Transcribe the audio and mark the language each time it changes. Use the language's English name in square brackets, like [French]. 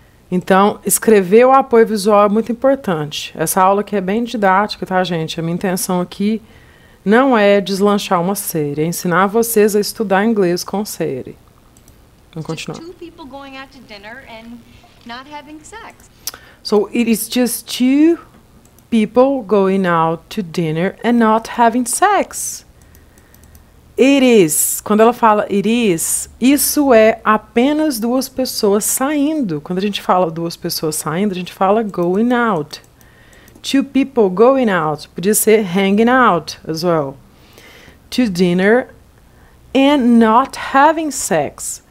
[Portuguese] Então, escrever o apoio visual é muito importante. Essa aula aqui é bem didática, tá, gente? A minha intenção aqui não é deslanchar uma série. É ensinar vocês a estudar inglês com série. Vamos continuar. [English] Just two people going out to dinner and not having sex. So, it is just two people going out to dinner and not having sex. It is. [Portuguese] Quando ela fala [English] it is, [Portuguese] isso é apenas duas pessoas saindo. Quando a gente fala duas pessoas saindo, a gente fala [English] going out. Two people going out. [Portuguese] Podia ser [English] hanging out as well. To dinner and not having sex.